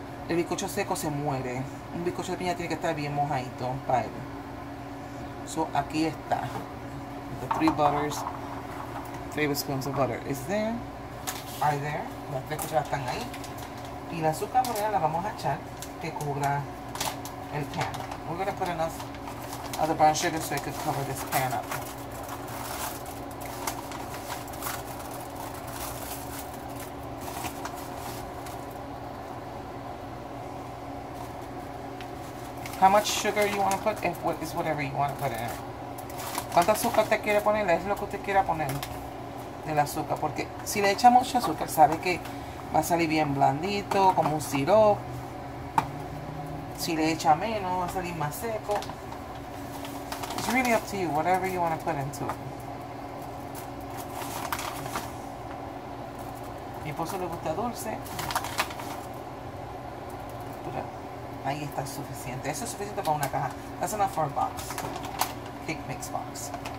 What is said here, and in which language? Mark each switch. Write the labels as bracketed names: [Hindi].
[Spanish] El bizcocho seco se muere. Un bizcocho de piña tiene que estar bien mojadito para él. [English] So, [Spanish] aquí está. [English] The 3 butters, 3 tablespoons of butter. Is there? Are there? [Spanish] Las 3 cucharadas están ahí. Y la azúcar morena la vamos a echar que cubra el pan. [English] We're going to put enough of the brown sugar so I could cover this pan up. How much sugar you want to put if what is whatever you want to put in it. [Spanish] ¿Cuánta azúcar te quiere poner? Es lo que usted quiera poner del azúcar, porque si le echa mucho azúcar sabe que va a salir bien blandito como un sirop. Si le echa menos va a salir más seco. [English] It's really up to you, whatever you want to put into it. [Spanish] Mi esposo le gusta dulce. Pero ahí está suficiente. Eso es suficiente para una caja. [English] That's enough for a box. Cake mix box.